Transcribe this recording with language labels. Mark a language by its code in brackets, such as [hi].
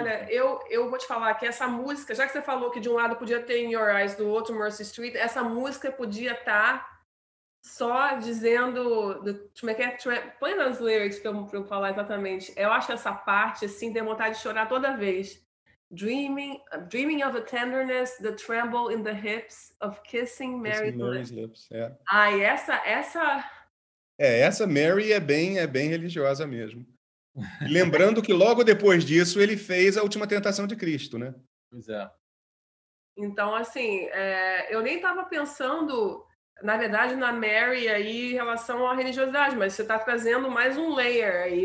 [pt] Olha, eu vou te falar que essa música, já que você falou que de um lado podia ter In Your Eyes, do outro Mercy Street, essa música podia estar só dizendo... Põe nas lyrics pra eu falar exatamente. Eu acho essa parte, assim, tem vontade de chorar toda vez. [en] Dreaming of a tenderness, the tremble in the hips of kissing Mary's lips. [pt] Ah, e essa... essa Mary é bem religiosa mesmo. Lembrando que logo depois disso ele fez a última tentação de Cristo, né? Pois é. Então, assim, eu nem estava pensando, na verdade, na Mary aí em relação à religiosidade, mas você está trazendo mais um layer aí.